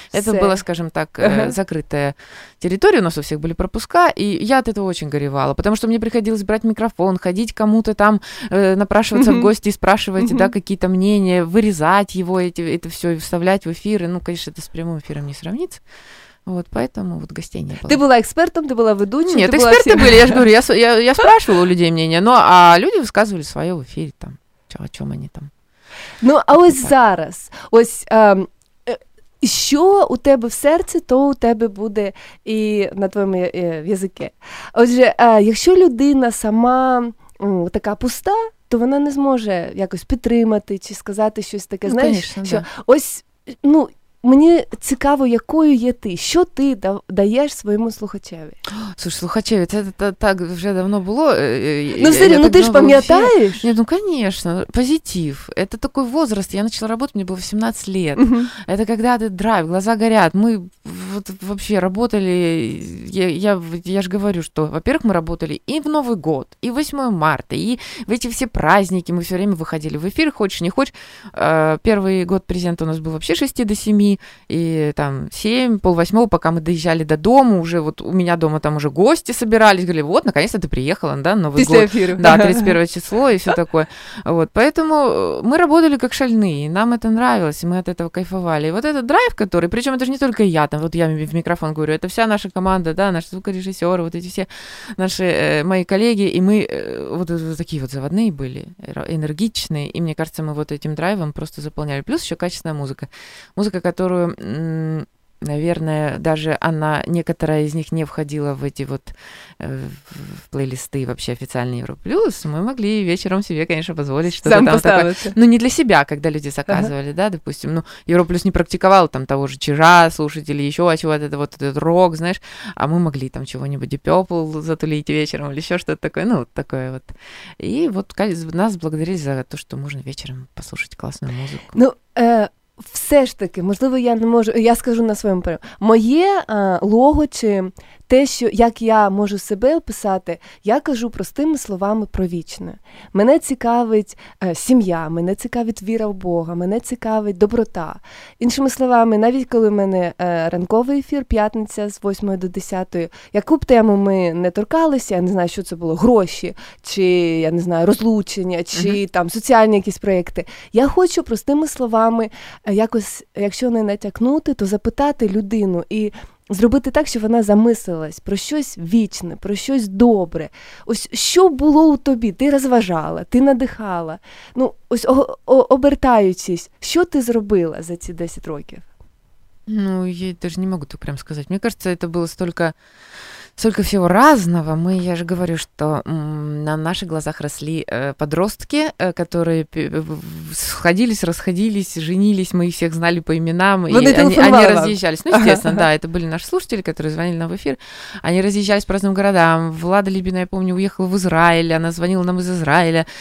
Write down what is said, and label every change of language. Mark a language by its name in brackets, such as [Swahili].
[Russian] Это была, скажем так, закрытая территория, у нас у всех были пропуска, и я от этого очень горевала, потому что мне приходилось брать микрофон, ходить кому-то там, напрашиваться в гости, спрашивать, да, какие-то мнения, вырезать его, это все и вставлять в эфир. И, ну, конечно, это с прямым эфиром не сравнится. Вот, поэтому вот гостей не было. Ты была экспертом, ты была ведущей? Нет, эксперты были, я же говорю, я спрашивала у людей мнение, но а люди высказывали свое в эфире, там, о чем они там. [Ukrainian] Ну, а ось так. Зараз, ось що у тебе в серці, то у тебе буде і на твоєму язикі. Отже, якщо людина сама така пуста, то вона не зможе якось підтримати чи сказати щось таке. Ну, знаєш, [Russian] конечно, [Ukrainian] що [Russian] да. [Ukrainian] Ось, ну, мені цікаво, якою є ти, що ти даєш своєму слухачеві? Слушай, слухачеві, це так вже давно було. Ну, Сирі, ну ти ж пам'ятаєш? Ні, ну, звісно, позитив. Це такий возраст, я почала працювати, мені було 18 лет. Це коли ти драйв, глаза горять. [Russian] Ми вот, вообще работали, я ж говорю, що, во-первых, ми работали і в Новий год, і 8 марта, і в ці всі праздники, ми все время виходили в ефір, хочеш, не хочеш. [Ukrainian] Перший год президента у нас був взагалі 6 до 7. [Russian] И там 7:30, пока мы доезжали до дому, уже вот у меня дома там уже гости собирались, говорили, вот, наконец-то ты приехала, да, Новый после год. Эфира. Да, 31 число и все такое. Вот, поэтому мы работали как шальные, нам это нравилось, и мы от этого кайфовали. И вот этот драйв, который, причем это же не только я, там, вот я в микрофон говорю, это вся наша команда, да, наши звукорежиссеры, вот эти все наши, мои коллеги, и мы вот такие вот заводные были, энергичные, и мне кажется, мы вот этим драйвом просто заполняли. Плюс еще качественная музыка. Музыка, которую, наверное, даже она, некоторая из них не входила в эти вот в плейлисты вообще официальные Европлюс, мы могли вечером себе, конечно, позволить что-то сам там поставить. Такое. Но не для себя, когда люди заказывали, да, допустим. Ну, Европлюс не практиковал там того же Чижа слушать или еще чего-то, это вот этот рок, знаешь, а мы могли там чего-нибудь Deep Purple затулить вечером или еще что-то такое, ну, вот такое вот. И вот нас благодарили за то, что можно вечером послушать классную музыку. [Ukrainian] Ну, все ж таки, можливо, я не можу, я скажу на своєму прямо. Моє лого чи те, що, як я можу себе описати, я кажу простими словами про вічне. Мене цікавить сім'я, мене цікавить віра в Бога, мене цікавить доброта. Іншими словами, навіть коли в мене ранковий ефір, п'ятниця з 8 до 10, яку б тему ми не торкалися, я не знаю, що це було, гроші, чи, я не знаю, розлучення, чи там соціальні якісь проєкти. Я хочу простими словами якось, якщо не натякнути, то запитати людину і зробити так, щоб вона замислилась про щось вічне, про щось добре. Ось що було у тобі? Ти розважала, ти надихала. Ну, ось обертаючись, що ти зробила за ці 10 років? Ну, [Russian] я даже не могу [Ukrainian] так прямо сказати. Мені кажется, це було стільки [Russian] столько всего разного. Мы, я же говорю, что на наших глазах росли подростки, которые сходились, расходились, женились, мы их всех знали по именам, вот и они разъезжались. Ну, естественно, да, это были наши слушатели, которые звонили нам в эфир. Они разъезжались по разным городам. Влада Либина, я помню, уехала в Израиль, она звонила нам из Израиля.